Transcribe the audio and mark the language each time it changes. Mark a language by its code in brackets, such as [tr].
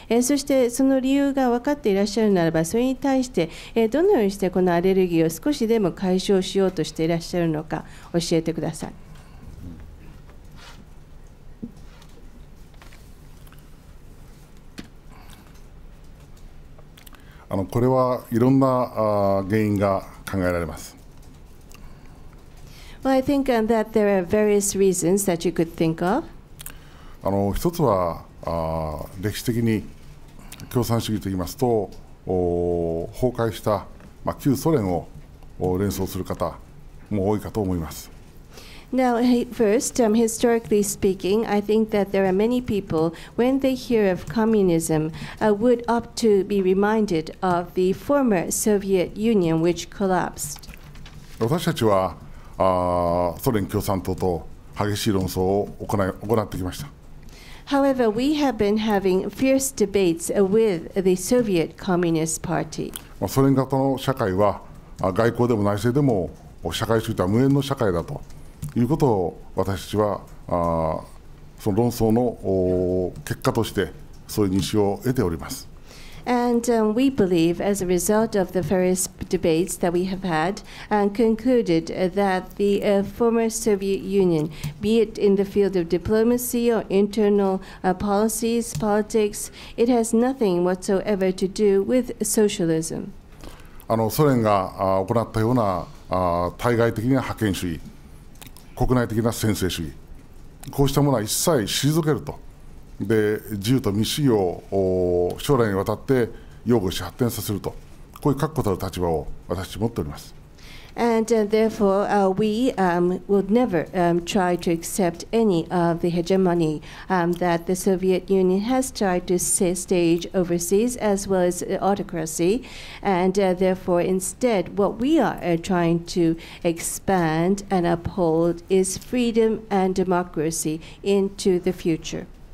[ja] そしてその理由が分かっていらっしゃるならば、それに対してどのようにしてこのアレルギーを少しでも解消しようとしていらっしゃるのか教えてください。これはいろんな原因が考えられます。 [en] Well, I think that there are various reasons that you could think of. [ja] 一つは歴史的に共産主義といいますと崩壊した、まあ、旧ソ連を連想する方も多いかと思います。 [en] Now, first, historically speaking, I think that there are many people, when they hear of communism, would opt to be reminded of the former Soviet Union, which collapsed. [ja] 私たちは、ソ連共産党と激しい論争を行ってきました。 [en] However, we have been having fierce debates with the Soviet Communist Party. [ja] ソ連型の社会は、外交でも内政でも、社会主義とは無縁の社会だと。いうことを私たちはその論争の結果としてそういう認識を得ております。 [en] And we believe as a result of the various debates that we have had and concluded that the former Soviet Union, be it in the field of diplomacy or internal policies, politics, it has nothing whatsoever to do with socialism. [ja] ソ連が行ったような対外的な覇権主義、国内的な専制主義、こうしたものは一切退けると。で自由と民主主義を将来にわたって擁護し発展させると、こういう確固たる立場を私たち持っております。 [en] And therefore we will never try to accept any of the hegemony that the Soviet Union has tried to stage overseas as well as autocracy. And therefore instead what we are trying to expand and uphold is freedom and democracy into the future.